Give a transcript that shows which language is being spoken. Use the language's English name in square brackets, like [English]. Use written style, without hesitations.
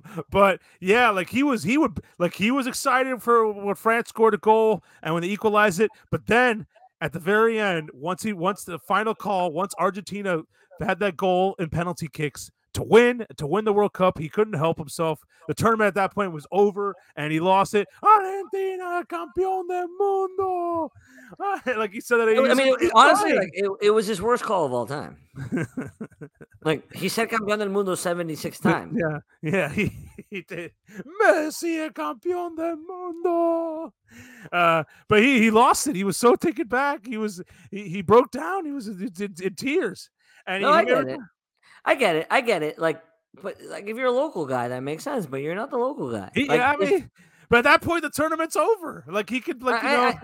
[English] But yeah, like he was excited for when France scored a goal and when they equalized it. But then at the very end, once Argentina had that goal in penalty kicks. To win the World Cup, he couldn't help himself. The tournament at that point was over, and he lost it. [Spanish] Argentina, campeón del mundo. [English] Like he said that. It was his worst call of all time. Like he said, [Spanish] campeón del mundo [English] 76 times. Yeah, he did. [Spanish] Messi, campeón del mundo. [English] But he lost it. He was so taken back. He broke down. He was in tears. I get it. Like, but like, if you're a local guy, that makes sense. But you're not the local guy. But at that point, the tournament's over. Like, he could, like,